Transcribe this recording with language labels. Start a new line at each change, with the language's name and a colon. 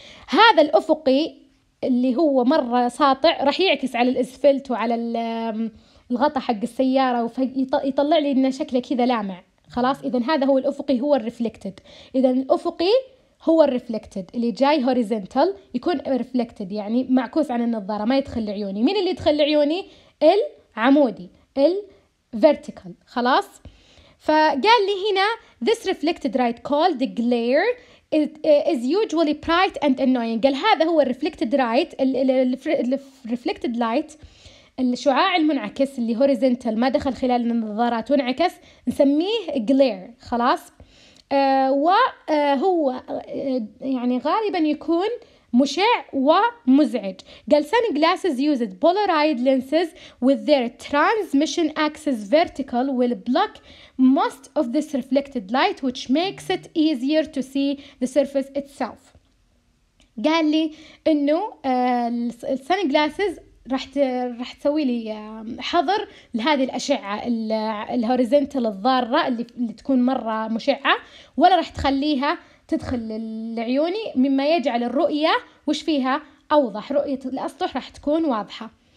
Arabic: هذا الأفقي اللي هو مرة ساطع راح يعكس على الإسفلت وعلى الغطاء حق السيارة ويطلع لي إنه شكله كذا لامع، خلاص. إذا هذا هو الأفقي، هو الرفلكتد. إذا الأفقي هو الرفلكتد اللي جاي هوريزنتال، يكون رفلكتد يعني معكوس عن النظارة، ما يدخل لعيوني. مين اللي يدخل لعيوني؟ العمودي، الفيرتيكال، خلاص. فقال لي هنا
English: this reflected light called the glare is usually bright and annoying.
Arabic: قال هذا هو الرفلكتد light، الرفلكتد light، الشعاع المنعكس اللي horizontal ما دخل خلال النظارات ونعكس، نسميه glare، خلاص. وهو يعني غالبا يكون مشع ومزعج. قال
English: sunglasses used polarized lenses with their transmission axis vertical will block most of this reflected light which makes it easier to see the surface itself.
Arabic: قال لي انه sunglasses راح تسوي لي حظر لهذه الاشعه الهوريزونتال الضاره اللي تكون مره مشعه، ولا راح تخليها تدخل لعيوني، مما يجعل الرؤيه وش فيها اوضح، رؤيه الاسطح راح تكون واضحه.